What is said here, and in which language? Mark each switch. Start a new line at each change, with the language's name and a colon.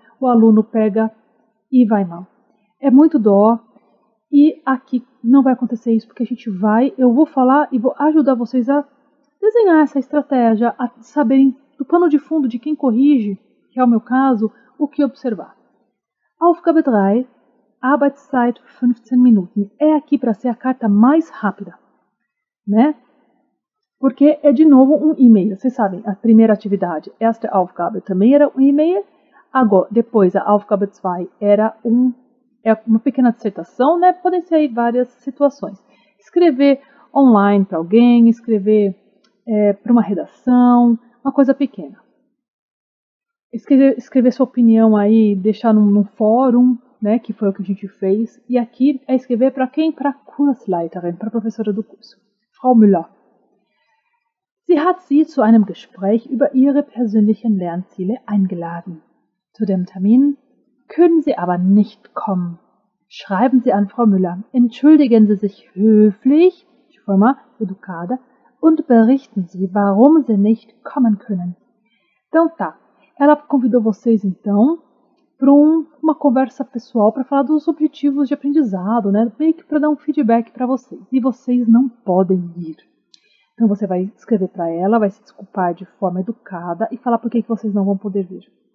Portuguese: O aluno pega e vai mal. É muito dó, e aqui não vai acontecer isso, porque a gente vai, eu vou falar e vou ajudar vocês a desenhar essa estratégia, a saberem do pano de fundo de quem corrige, que é o meu caso, o que observar.
German: Aufgabe 3, Arbeitszeit 15 Minuten.
Portuguese: É aqui para ser a carta mais rápida, né? Porque é de novo um e-mail. Vocês sabem, a primeira atividade, esta Aufgabe, também era um e-mail. Agora, depois, a Aufgabe 2 era uma pequena dissertação, né? Podem ser aí várias situações. Escrever online para alguém, escrever para uma redação, uma coisa pequena. Escrever sua opinião aí, deixar num fórum, né? Que foi o que a gente fez. E aqui é escrever para quem? Para a Kursleiterin, para a professora do curso, Frau Müller.
German: Sie hat Sie zu einem Gespräch über Ihre persönlichen Lernziele eingeladen. Zu dem Termin können Sie aber nicht kommen. Schreiben Sie an Frau Müller. Entschuldigen Sie sich höflich,
Portuguese: de forma educada,
German: und berichten Sie, warum Sie nicht kommen können.
Portuguese: Então tá. Ela convidou vocês então para uma conversa pessoal para falar dos objetivos de aprendizado, né? Meio que para dar um feedback para vocês. E vocês não podem ir. Então você vai escrever para ela, vai se desculpar de forma educada e falar por que que vocês não vão poder vir.